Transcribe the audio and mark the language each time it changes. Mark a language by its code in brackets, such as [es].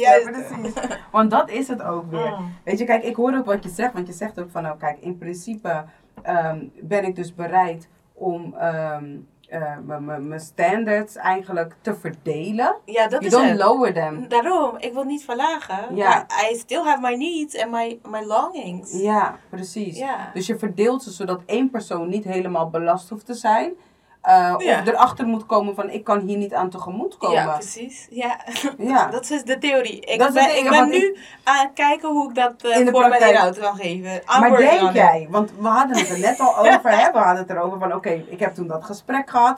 [nl] Precies. Want dat is het ook weer. Oh. Weet je, kijk, ik hoor ook wat je zegt. Want je zegt ook van, nou kijk, in principe ben ik dus bereid om mijn standards eigenlijk te verdelen. Ja, dat [en] you [nl] is het. [en] You don't lower them. [nl] Daarom, ik wil niet verlagen. Ja. [en] I still have my needs and my longings. [nl] Ja, precies. Ja. Dus je verdeelt ze zodat één persoon niet helemaal belast hoeft te zijn. Of erachter moet komen van, ik kan hier niet aan tegemoet komen. Ja, precies. Ja, ja. Dat is de theorie. Ik ben nu aan het kijken hoe ik dat voor mijn inhoud kan geven. Maar denk jij, want we hadden het er net al over, hè? We hadden het erover van, oké, ik heb toen dat gesprek gehad.